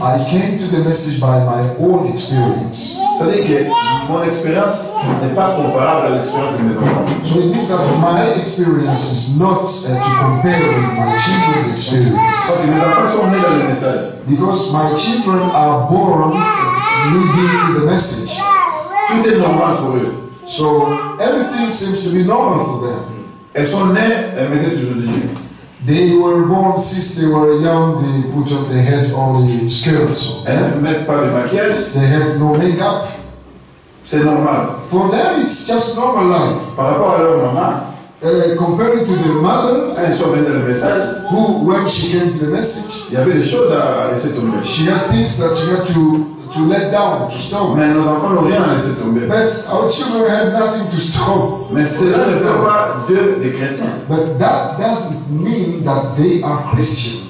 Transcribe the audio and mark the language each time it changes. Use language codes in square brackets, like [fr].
[en] I came to the message by my own experience. [fr] C'est-à-dire que mon expérience n'est pas comparable à l'expérience de mes enfants. [en] So it means that my experience is not to compare with my children's experience. [fr] Parce que mes enfants sont nés dans le message. [en] Because my children are born living the message. [fr] Tout est normal pour eux. [en] So everything seems to be normal for them. [fr] Elles sont nées et mettent toujours des jupes. [en] They were born since they were young. They put on their head only skirts. [fr] Elles ne mettent pas de maquillage. [en] They have no makeup. [fr] C'est normal. [en] For them, it's just normal life. [fr] Par rapport à leur maman. [en] Compared to their mother, [fr] elles sont venues le message. [en] Who, when she came to the message, [fr] il y avait des choses à laisser tomber. [en] She had things that she had to let down, to stop. [fr] Mais nos enfants n'ont rien à laisser tomber. [en] But our children had nothing to stop. [fr] Mais cela ne fait pas d'eux des chrétiens. [en] But that doesn't mean that they are Christians.